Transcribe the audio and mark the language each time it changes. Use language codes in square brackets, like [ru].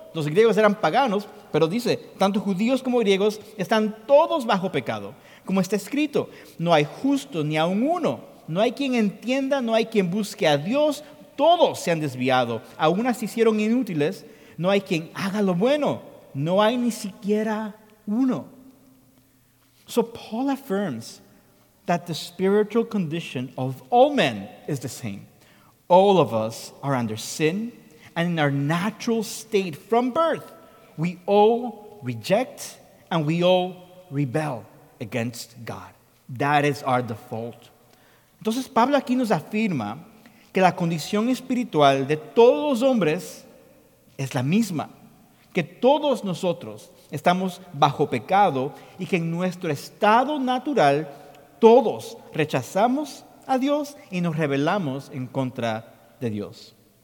[es] Los griegos eran paganos, pero dice, tanto judíos como griegos están todos bajo pecado. Como está escrito, no hay justo ni aun uno. No hay quien entienda, no hay quien busque a Dios. Todos se han desviado, aun se hicieron inútiles. No hay quien haga lo bueno, no hay ni siquiera uno. [en] So Paul affirms that the spiritual condition of all men is the same. All of us are under sin, and in our natural state from birth, we all reject and we all rebel against God. That is our default. [es] Entonces, Pablo aquí nos afirma que la condición espiritual de todos los hombres es la misma, que todos nosotros estamos bajo pecado y que en nuestro estado natural todos rechazamos a Dios y nos rebelamos en contra de Dios.